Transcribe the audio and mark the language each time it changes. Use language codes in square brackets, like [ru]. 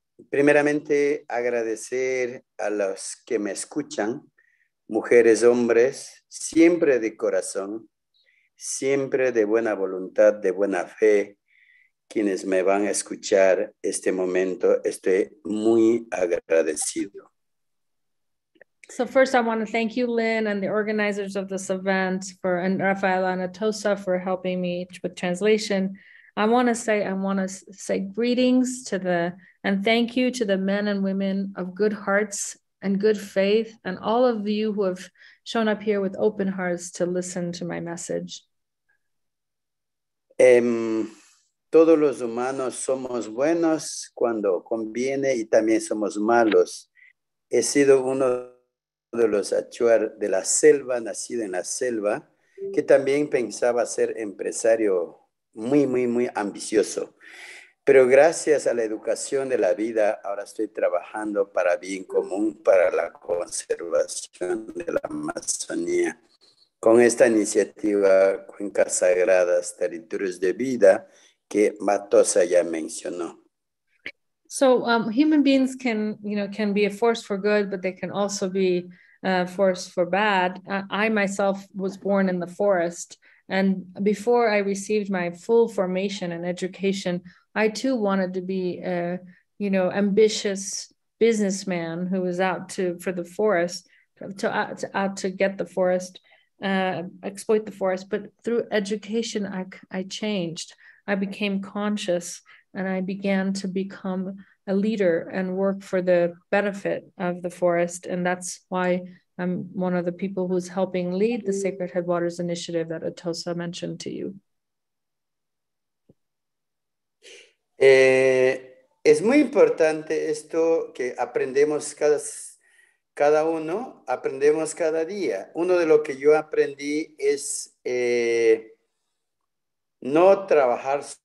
[es] Primeramente, agradecer a los que me escuchan, mujeres, hombres, siempre de corazón, siempre de buena voluntad, de buena fe, quienes me van a escuchar este momento, estoy muy agradecido. [en] So first I want to thank you, Lynn, and the organizers of this event, for and Rafaela and Atosa for helping me with translation. I want to say greetings to the, and thank you to the men and women of good hearts and good faith, and all of you who have shown up here with open hearts to listen to my message. [es] Todos los humanos somos buenos cuando conviene y también somos malos. He sido uno de los achuar de la selva, nacido en la selva, que también pensaba ser empresario muy, muy, muy ambicioso. Pero gracias a la educación de la vida, ahora estoy trabajando para bien común, para la conservación de la Amazonía. Con esta iniciativa, Cuencas Sagradas, Territorios de Vida, que Matosa ya mencionó. [en] So human beings can, you know, can be a force for good, but they can also be a force for bad. I myself was born in the forest. And before I received my full formation and education, I too wanted to be a, you know, ambitious businessman who was out to for the forest, to get the forest, exploit the forest. But through education, I changed. I became conscious and I began to become a leader and work for the benefit of the forest. And that's why I'm one of the people who's helping lead the Sacred Headwaters Initiative that Atosa mentioned to you. [es] Es muy importante esto que aprendemos cada uno, aprendemos cada día. Uno de lo que yo aprendí es no trabajar